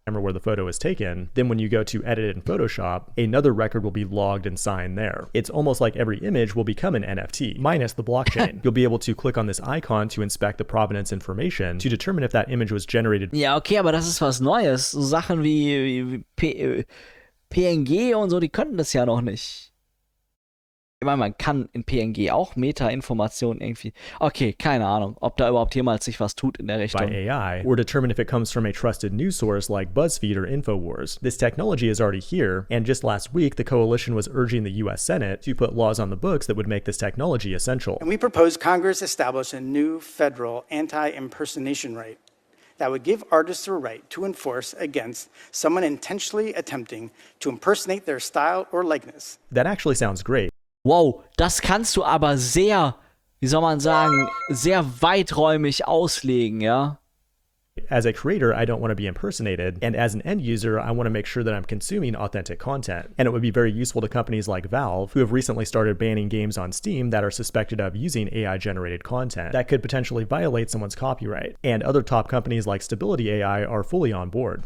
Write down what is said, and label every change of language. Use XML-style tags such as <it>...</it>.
<en>Remember where the photo is taken. Then when you go to edit it in Photoshop, another record will be logged and signed there. It's almost like every image will become an NFT, minus the blockchain. You'll be able to click on this icon to inspect the provenance information to determine if that image was generated.</en> <de>Ja, okay, aber das ist was Neues. So Sachen wie PNG und so, die könnten das ja noch nicht. Ich meine, man kann in PNG auch Meta-Informationen irgendwie. Okay, keine Ahnung, ob da überhaupt jemals sich was tut in der Richtung.</de> <en>By AI, or determine if it comes from a trusted news source like BuzzFeed or InfoWars. This technology is already here, and just last week, the coalition was urging the U.S. Senate to put laws on the books that would make this technology essential. And we propose Congress establish a new federal anti-impersonation right that would give artists the right to enforce against someone intentionally attempting to impersonate their style or likeness. That actually sounds great.</en> <de>Wow, das kannst du aber sehr, wie soll man sagen, sehr weiträumig auslegen, ja?</de> <en>As a creator, I don't want to be impersonated, and as an end user, I want to make sure that I'm consuming authentic content. And it would be very useful to companies like Valve, who have recently started banning games on Steam that are suspected of using AI-generated content that could potentially violate someone's copyright. And other top companies like Stability AI are fully on board.</en>